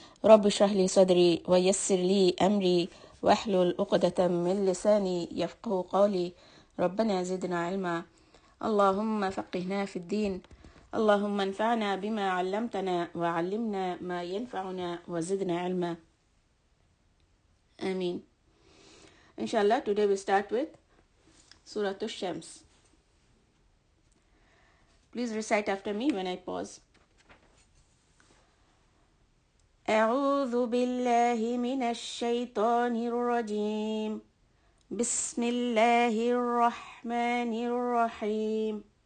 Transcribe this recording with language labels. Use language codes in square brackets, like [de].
[ar] رب اشرح لي صدري ويسر لي أمري واحلل عقدة من لساني يفقه قولي. ربنا زدنا علما، اللهم فقهنا في الدين، اللهم انفعنا بما علمتنا وعلمنا ما ينفعنا وزدنا علما، آمين. [en] Inshallah, today we start with Surah Ash-Shams. Please recite after me when I pause. [ar] أعوذ بالله من الشيطان الرجيم. بسم الله الرحمن الرحيم.